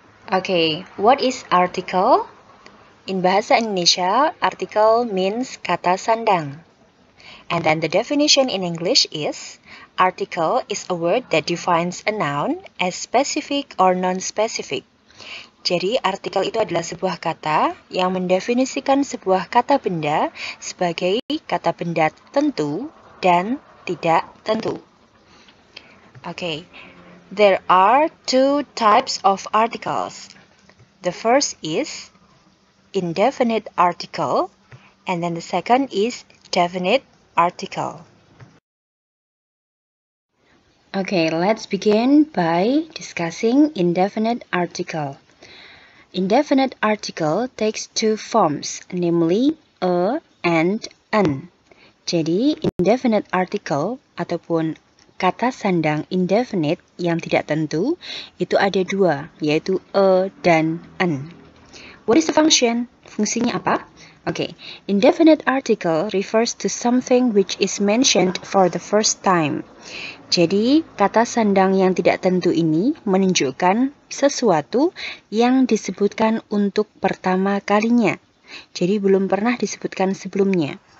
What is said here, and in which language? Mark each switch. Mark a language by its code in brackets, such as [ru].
[en] Okay, what is article? In Bahasa Indonesia, article means [id] kata sandang. [en] And then the definition in English is, article is a word that defines a noun as specific or non-specific. [id] Jadi, artikel itu adalah sebuah kata yang mendefinisikan sebuah kata benda sebagai kata benda tentu dan tidak tentu. [en] Okay, there are two types of articles. The first is indefinite article, and then the second is definite article. Okay, let's begin by discussing indefinite article. Indefinite article takes two forms, namely a and an. [id] Jadi, indefinite article ataupun kata sandang indefinite yang tidak tentu itu ada dua, yaitu a dan an. [en] What is the function? [id] Fungsinya apa? [en] Okay, indefinite article refers to something which is mentioned for the first time. [id] Jadi, kata sandang yang tidak tentu ini menunjukkan sesuatu yang disebutkan untuk pertama kalinya. Jadi, belum pernah disebutkan sebelumnya.